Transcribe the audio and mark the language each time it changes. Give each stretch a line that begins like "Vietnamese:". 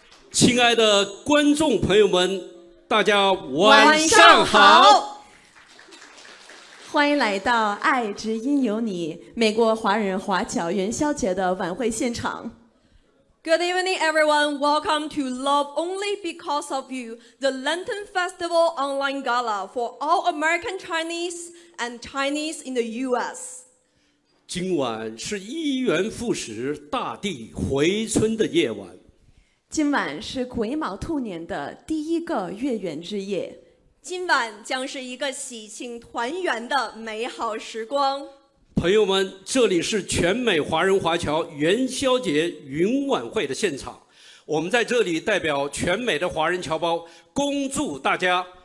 Chinese: 亲爱的观众朋友们，大家晚上好。欢迎来到《爱之音有你》美国华人华侨元宵节的晚会现场。
English: Good evening, everyone. Welcome to Love Only Because of You, the Lantern Festival Online Gala for all American Chinese and Chinese in the U.S.
Chinese: 今晚是一元复始、大地回春的夜晚。今晚是癸卯兔年的第一个月圆之夜。今晚将是一个喜庆团圆的美好时光。朋友们，这里是全美华人华侨元宵节云晚会的现场，我们在这里代表全美的华人侨胞恭祝大家